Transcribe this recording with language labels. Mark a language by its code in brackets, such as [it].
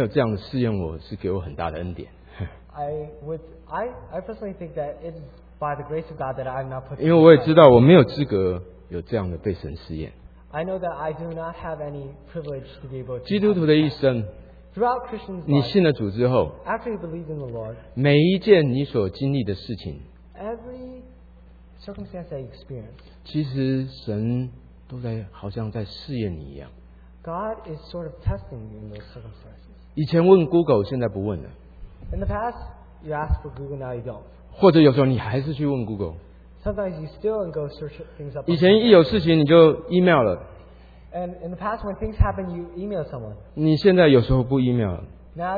[zh] 我常常觉得神没有这样试验我是给我很大的恩典。 [en] I personally think that it's by the grace of God that I'm not put in. [zh] 因为我也知道我没有资格有这样的被神试验。 [en] I know that I do not have any privilege to be able to. [zh] 基督徒的一生, [en] throughout Christians' life, [zh] 你信了主之后, [en] after you believe in the Lord, [zh] 每一件你所经历的事情, [en] every circumstance that you experience, [zh] 其实神都在好像在试验你一样。 [en] God is sort of testing you in those circumstances. [zh] 以前问 Google, 现在不问了。 [en] In the past, you asked for Google, now you don't. [zh] 或者有时候你还是去问 Google. [en] Sometimes you still go search things up. [zh] 以前一有事情你就 email 了。And [en] in the past when things happen, you email someone. [zh] 你现在有时候不 email 了。Now